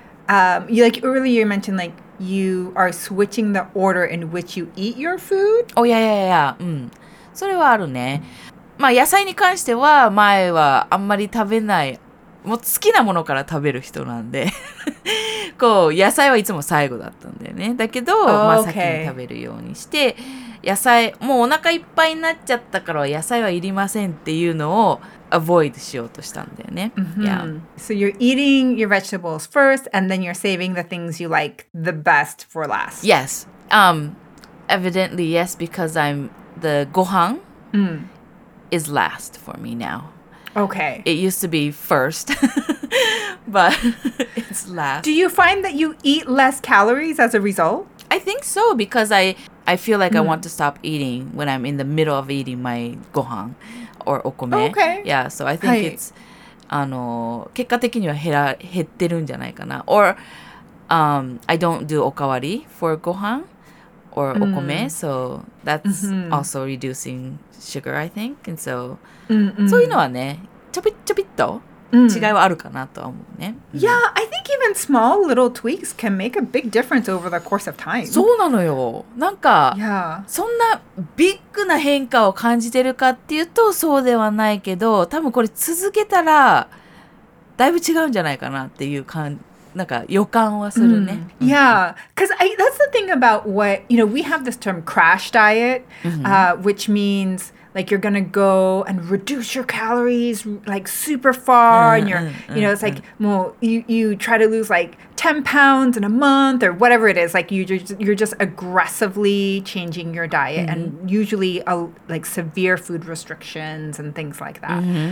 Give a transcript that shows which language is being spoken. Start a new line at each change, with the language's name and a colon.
English: Like earlier you mentioned like you are switching the order in which you eat your food? Oh yeah, yeah, yeah.
Japanese: それはあるね。まあ野菜に関しては前はあんまり食べないもう好きなものから食べる人なんでこう野菜はいつも最後だったんだよね。だけど、まあ、先に食べるようにして野菜もうお腹いっぱいになっちゃったから野菜はいりませんっていうのをアボイドしようとしたんだよね。
English: So you're eating your vegetables first and then you're saving the things you like the best for last. Yes. Evidently yes because I'm the gohan is last for me now. Okay. It used to be first, but it's last. Do you find that you eat less calories as a result? I think so, because I feel like I want to stop eating when I'm in the middle of eating my gohan or okome. Okay. Yeah, so I think it's,
Japanese: 結果的には減ってるんじゃないかな。
English: Or I don't do okawari for gohan or okome, so that's also reducing... Sugar, I think, and so,
Japanese: そういうのはね、ちょびっと違いはあるかなとは思うね。
English: Yeah, I think even small little tweaks can make a big difference over the course of time.
Japanese: そうなのよ。なんか、そんなビッグな変化を感じてるかっていうとそうではないけど、多分これ続けたらだいぶ違うんじゃないかなっていう感じ。なんか予感はするね。
English: Yeah, because that's the thing about what, you know, we have this term crash diet, which means like you're going to go and reduce your calories like super far and you're, you know, it's like, well, you try to lose like 10 pounds in a month or whatever it is, like you're just aggressively changing your diet and usually like severe food restrictions and things like that.